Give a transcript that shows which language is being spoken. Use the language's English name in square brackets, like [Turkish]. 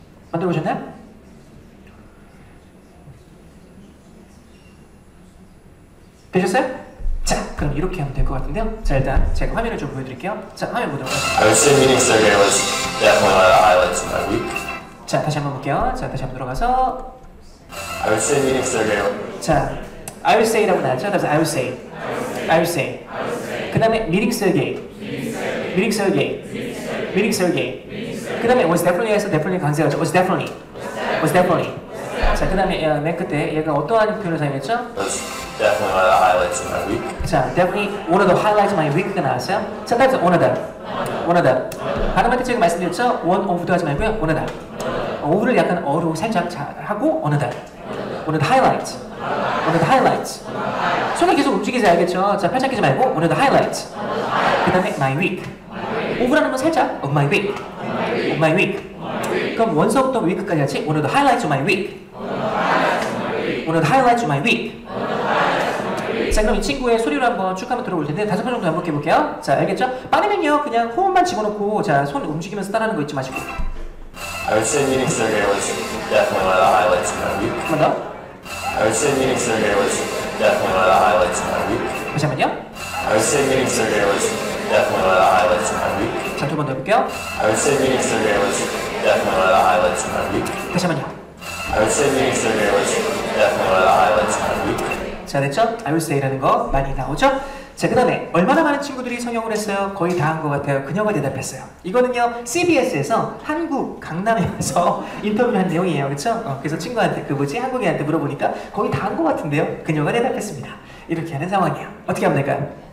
[Korean] 만들어 보셨나요? 되셨어요? 자, 그럼 이렇게 하면 될 것 같은데요. 자, 일단 제가 화면을 좀 보여드릴게요. 자, 화면 보도록 하겠습니다. [English] I would say meetings are great was definitely one of the highlights of my week. [Korean] 자, 다시 한번 볼게요. 자, 다시 한번 들어가서 [English] I would say meetings are great. [Korean] 자, [English] I would say [Korean] 라고 나왔죠? 그래서 [English] I would say. I would say. I would say. [Korean] 그 다음에 [English] meetings are great. Meetings are great. Meetings are great. [Korean] 그 다음에 [English] was definitely [Korean] 해서 [English] definitely [Korean] 강세였죠. [English] was definitely. was definitely. [Korean] 자, 그 다음에 맨 끝에 얘가 어떠한 표현을 사용했죠? [English] was definitely one of the highlights of my week. 자, definitely one of the highlights of my week가 [Korean] 나왔어요. 자, [English] that's one of the. one of the. [Korean] 발음할 때 제가 말씀드렸죠? [English] one of도 [Korean] 하지 말고요. [English] one of the. of를 [Korean] 약간 어로 살짝 하고 [English] one of the. one of the highlights. one of the highlights. [Korean] 손을 계속 움직이셔야 알겠죠? 자, 팔짝끼지 말고 [English] one of the highlights. [Korean] 그 다음에 [English] my week. of라는 [Korean] 건 살짝 [English] of my week. Of my week. [Korean] 그럼 원서부터 [English] week까지 [Korean] 같이 [English] one of the highlights of my week. One of the highlights of my week. [Korean] 자, 그럼 이 친구의 소리로 한번 쭉 한번 들어볼 텐데 다섯 번 정도 한번 해볼게요. 자, 알겠죠? 빠르면요 그냥 호흡만 집어넣고 자, 손 움직이면서 따라하는 거 잊지 마시고. [English] I would say meeting Sergey was definitely one of the highlights of my week. [Korean] 한번 더. [English] I would say meeting Sergey was definitely one of the highlights of my week. [Korean] 다시 한번요. [English] I would say meeting Sergey was definitely one of the highlights of my week. [Korean] 자, 두 번 더 해볼게요. [English] I would say meeting Sergey was definitely one of the highlights of my week. [Korean] 다시 한번요. [English] I would say meeting Sergey was definitely one of the highlights of my week. [Korean] 자, 됐죠? [English] I would say [Korean] 라는 거 많이 나오죠? 자, 그 다음에 얼마나 많은 친구들이 성형을 했어요? 거의 다 한 것 같아요. 그녀가 대답했어요. 이거는요, CBS에서 한국 강남에 와서 인터뷰한 내용이에요. 그렇죠? 그래서 친구한테, 그 뭐지? 한국인한테 물어보니까 거의 다 한 것 같은데요? 그녀가 대답했습니다. 이렇게 하는 상황이에요. 어떻게 하면 될까요?